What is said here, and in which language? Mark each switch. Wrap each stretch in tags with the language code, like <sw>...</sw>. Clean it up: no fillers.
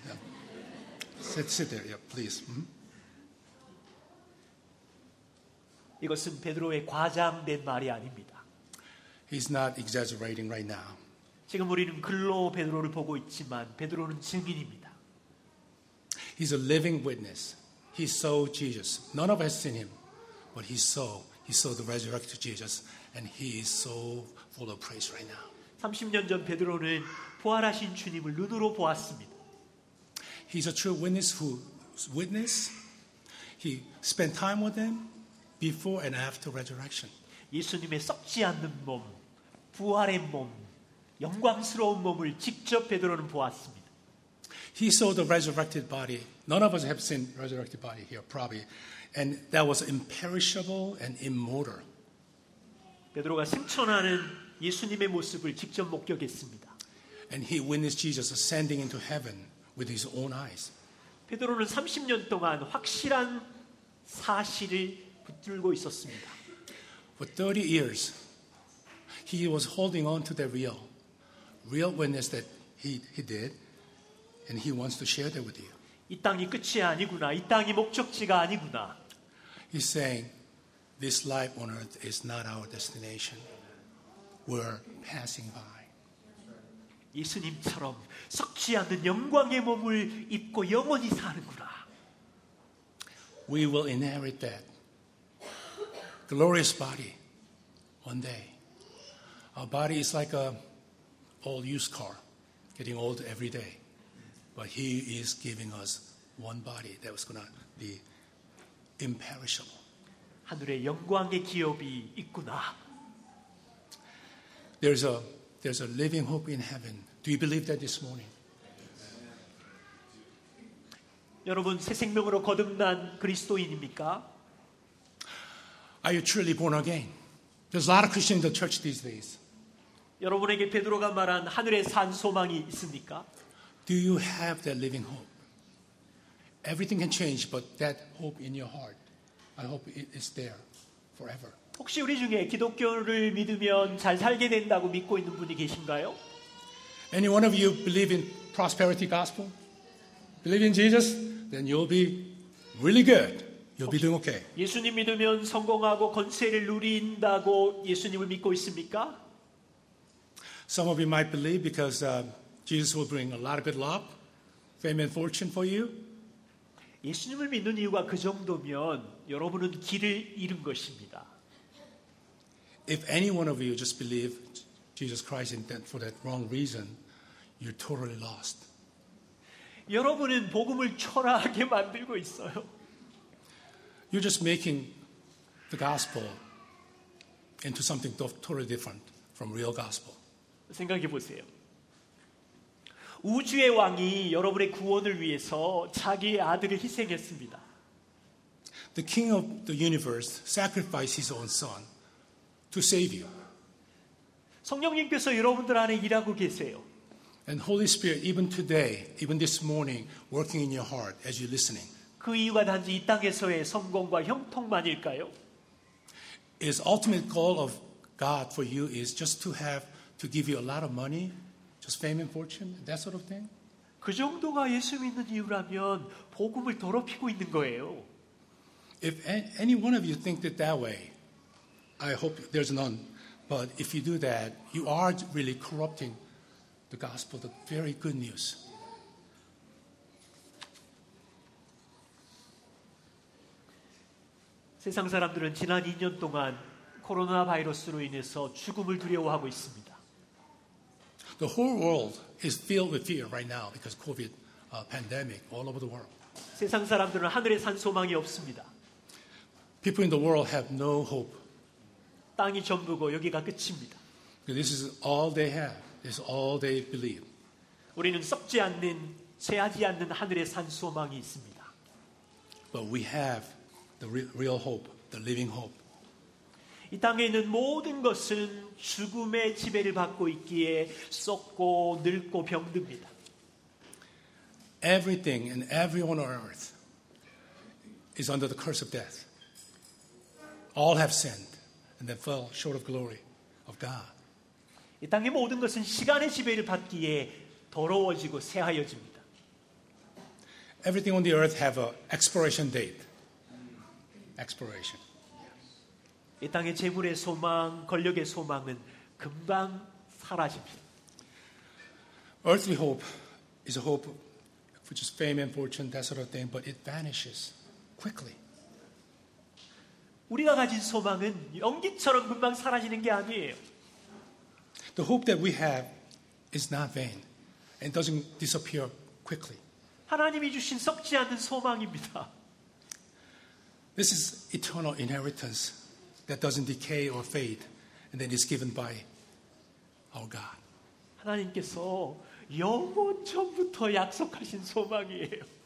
<en>Yeah. Sit there, yeah, please. Mm-hmm.</en> <ko>이것은 베드로의 과장된 말이 아닙니다.</ko> <en>He's not exaggerating right now.</en> <ko>지금 우리는 글로 베드로를 보고 있지만 베드로는 증인입니다.</ko> <en>He's a living witness. He saw Jesus. None of us seen him, but he saw. He saw the resurrected Jesus, and he is so full of praise right now.</en> <ko>30년 전 베드로는 부활하신 주님을 눈으로 보았습니다.</ko> <en>He's a true witness who witness. He spent time with them before and after resurrection.</en> <ko>예수님의 썩지 않는 몸, 부활의 몸, 영광스러운 몸을 직접 베드로는 보았습니다.</ko> <en>He saw the resurrected body. None of us have seen resurrected body here, probably. And that was imperishable and immortal.</en> <ko>베드로가 승천하는 예수님의 모습을 직접 목격했습니다.</ko> <en>And he witnessed Jesus ascending into heaven. With his own eyes.</en> <ko>베드로는 30년 동안 확실한 사실을 붙들고 있었습니다.</ko> <en>For 30 years, he was holding on to the real witness that he did, and he wants to share that with you.</en> <ko>이 땅이 끝이 아니구나, 이 땅이 목적지가 아니구나.</ko> <en>He's saying, this life on earth is not our destination. We're passing by.</en> <ko>예수님처럼 썩지 않는 영광의 몸을 입고 영원히 사는구나.</ko> <en>We will inherit that glorious body one day. Our body is like an old used car, getting old every day. But He is giving us one body that was going to be imperishable.</en> <ko>하늘의 영광의 기업이 있구나.</ko> <en>There's a living hope in heaven. Do you believe that this morning?</en> <ko>여러분 새 생명으로 거듭난 그리스도인입니까?</ko> <en>Are you truly born again? There's a lot of Christians in the church these days.</en> <ko>여러분에게 베드로가 말한 하늘의 산 소망이 있습니까?</ko> <en>Do you have that living hope? Everything can change, but that hope in your heart, I hope it is there forever.</en> <ko>혹시 우리 중에 기독교를 믿으면 잘 살게 된다고 믿고 있는 분이 계신가요?</ko> <en>Any one of you believe in prosperity gospel? Believe in Jesus? Then you'll be really good. You'll be doing okay.</en> <ko>예수님 믿으면 성공하고 권세를 누린다고 예수님을 믿고 있습니까?</ko> <en>Some of you might believe because Jesus will bring a lot of good luck, fame and fortune for you.</en> <ko>예수님을 믿는 이유가 그 정도면 여러분은 길을 잃은 것입니다.</ko> <en>If any one of you just believe Jesus Christ in that for that wrong reason, you're totally lost.</en> <ko>여러분은 복음을 초라하게 만들고 있어요.</ko> <en>You're just making the gospel into something totally different from real gospel.</en> <ko>생각해 보세요. 우주의 왕이 여러분의 구원을 위해서 자기의 아들을 희생했습니다.</ko> <en>The king of the universe sacrificed his own son to save you.</en> <ko>성령님께서 여러분들 안에 일하고 계세요.</ko> <en>And Holy Spirit, even today, even this morning, working in your heart as you're listening.</en> <ko>그 이유가 단지 이 땅에서의 성공과 형통만일까요?</ko> <en>His ultimate goal of God for you is just to have to give you a lot of money, just fame and fortune, that sort of thing.</en> <ko>그 정도가 예수 믿는 이유라면 복음을 더럽히고 있는 거예요.</ko> <en>If any one of you think that that way, I hope there's none. But if you do that, you are really corrupting the gospel, the very good news.</en> <ko>세상 사람들은 지난 2년 동안 코로나 바이러스로 인해서 죽음을 두려워하고 있습니다.</ko> <en>The whole world is filled with fear right now because COVID pandemic all over the world.</en> <ko>세상 사람들은 하늘에 산 소망이 없습니다.</ko> <en>People in the world have no hope.</en> <ko>땅이 전부고 여기가 끝입니다.</ko> <en>This is all they have. It's all they believe.</en> <ko>우리는 썩지 않는, 쇠하지 않는 하늘에 산 소망이 있습니다.</ko> <en>But we have the real hope, the living hope.</en> <ko>이 땅에 있는 모든 것은 죽음의 지배를 받고 있기에 썩고 늙고 병듭니다.</ko> <en>Everything and everyone on earth is under the curse of death. All have sinned and they fell short of glory of God.</en> <ko>이 땅의 모든 것은 시간의 지배를 받기에 더러워지고 새하여집니다.</ko> <en>Everything on the earth have a expiration date. Expiration.</en> <ko>이 땅의 재물의 소망, 권력의 소망은 금방 사라집니다.</ko> <en>Earthly hope is a hope for just fame and fortune, that sort of thing, but it vanishes quickly.</en> <ko>우리가 가진 소망은 연기처럼 금방 사라지는 게 아니에요.</ko> <en>The hope that we have is not vain and doesn't disappear quickly.</en> <ko>하나님이 주신 썩지 않는 소망입니다.</ko> <en>This is eternal inheritance that doesn't decay or fade and that is given by our God.</en> <ko>하나님께서 영원 전부터 약속하신 소망이에요.</ko>